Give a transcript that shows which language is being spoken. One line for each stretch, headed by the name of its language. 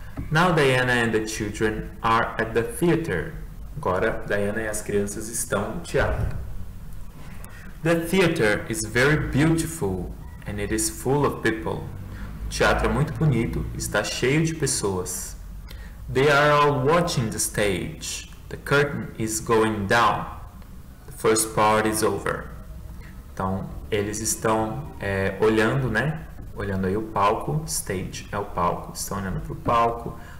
English: Now Diana and the children are at the theater.
Portuguese: Agora Diana e as crianças estão no teatro.
English: The theater is very beautiful and it is full of people.
Portuguese: O teatro é muito bonito, está cheio de pessoas.
English: They are all watching the stage. The curtain is going down. The first part is over.
Portuguese: Então, eles estão olhando, né? Olhando aí o palco. Stage é o palco. Estão olhando para o palco.